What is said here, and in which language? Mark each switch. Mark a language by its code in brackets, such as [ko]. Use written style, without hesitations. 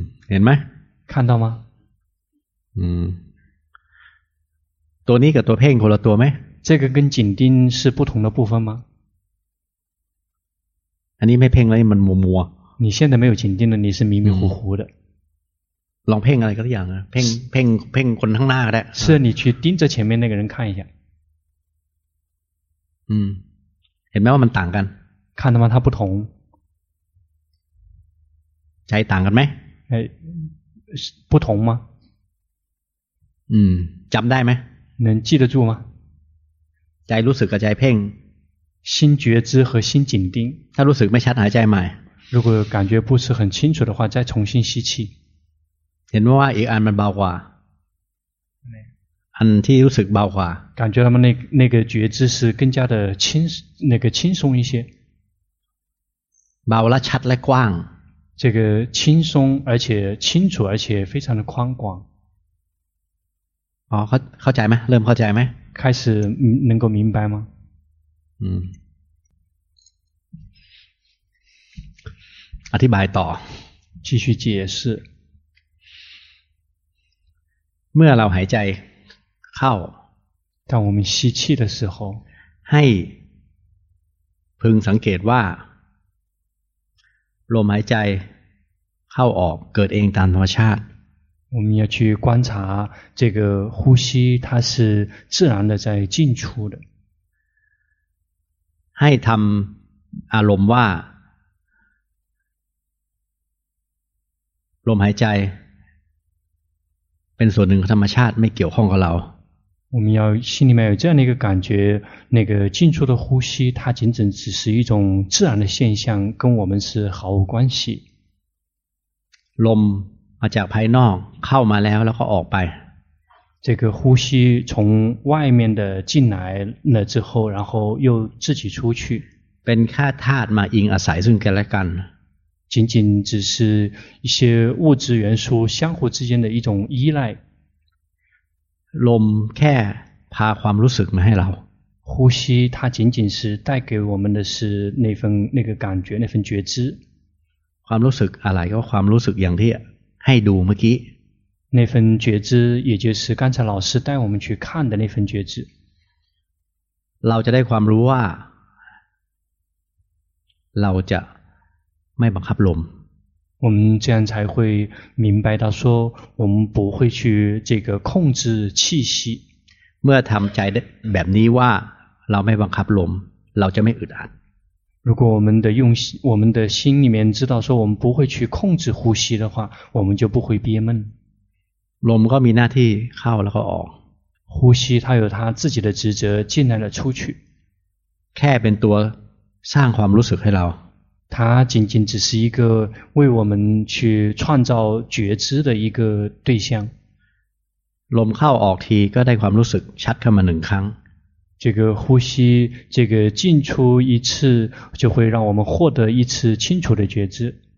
[th] เห็นไหม [zh] 看到吗 [th] ตัวนี้กับตัวเพ่งคนละตัวไหม [zh] 这个跟紧盯是不同的部分吗 [th] อันนี้ไม่เพ่งแล้วมันมัว [zh] ๆ你现在没有紧盯了你是迷迷糊糊的 [th] ลองเพ่งอะไรก็ได้อย่างเพ่งเพ่งเพ่งคนข้างหน้าก็ได้ [zh] 是你去盯着前面那个人看一下 [th] เห็นไหมว่ามันต่างกัน [zh] 看到吗它不同 [th] ใจต่างกันไหม [zh] 不同吗 [th] จำได้ไหม [zh] 能记得住吗 [th] ใจรู้สึกกับใจเพ่ง [zh] 心觉知和心紧盯 [th] ถ้ารู้สึกไม่ชัดหายใจใหม่ [zh] 如果感觉不是很清楚的话再重新吸气 [th] เห็นว่าอีกอันมันเบากว่าอันที่รู้สึกเบากว่า [zh] 感觉他们那个觉知是更加的轻那个轻松一些 [th] เบาและชัดและกว้าง [zh] 这个轻松而且清楚而且非常的宽广 [th] 哦เข้าใจไหมเริ่มเข้าใจไหม [zh] 开始能够明白吗 [th] อธิบายต่อ [zh] 继续解释 [th] เมื่อเราหายใจเข้า [zh] 当我们吸气的时候 [th] ให้พึงสังเกตว่าลมหายใจเข้าออกเกิดเองตามธรรมชาติ [zh] 我们要去观察这个呼吸它是自然的在进出的 [th] ให้ทำอารมณ์ว่าลมหายใจเป็นส่วนหนึ่งของธรรมชาติไม่เกี่ยวข้องกับเรา [zh] 我们要心里面有这样的一个感觉那个进出的呼吸它仅仅只是一种自然的现象跟我们是毫无关系 [th] ลมมาจากภายนอกเข้ามาแล้วแล้วก็ออกไป [zh] 这个呼吸从外面的进来了之后然后又自己出去 [th] เป็นแค่ธาตุมาอิงอาศัยซึ่งกันและกัน [zh] 仅仅只是一些物质元素相互之间的一种依赖 [th] ลมแค่พาความรู้สึกมาให้เรา [zh] 呼吸它仅仅是带给我们的是那份那个感觉那份觉知 [th] ความรู้สึกอะไรก็ความรู้สึกอย่างที่ให้ดูเมื่อกี้ [zh] 那份觉知也就是刚才老师带我们去看的那份觉知 [th] เราจะได้ความรู้ว่าเราจะไม่บังคับลม [zh] 我们这样才会明白到说我们不会去这个控制气息 [th] เมื่อทำใจแบบนี้ว่าเราไม่บังคับลมเราจะไม่อึดอัด [zh] 如果我们的心里面知道说我们不会去控制呼吸的话我们就不会憋闷 [th] ลมก็มีหน้าที่เข้าแล้วก็ออก [zh] 呼吸它有它自己的职责进来了出去 [th] แค่เป็นตัวสร้างความรู้สึกให้เรา [zh] 它仅仅只是一个为我们去创造觉知的一个对象 [th] ลมเข้าออกทีก็ได้ความรู้สึกชัดขึ้นมาหนึ่งครั้ง [zh] 这个呼吸这个进出一次就会让我们获得一次清楚的觉知